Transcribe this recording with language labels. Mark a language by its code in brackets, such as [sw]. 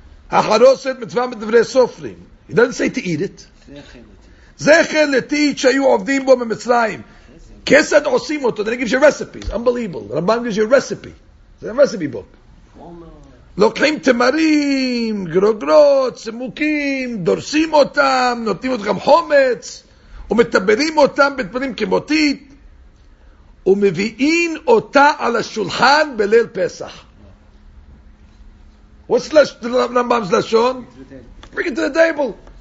[he] Acharoset mitzvah medivrei sofrim. [en] He doesn't say to eat it. [he] Zecher letit shayu avdim bo memitzrayim. Kesed osim oto. [en] Then he gives you recipes. Unbelievable. Rambam gives you a recipe. It's a recipe book. [he] לוקחים תמרים, גרוגרות, סימוקים, דורסים אותם, נותנים אותם חומץ, ומטבלים אותם בתמרים כמותית, ומביאים אותה על השולחן בליל פסח. [en] What's the Rambam's lashon? Bring it to the table.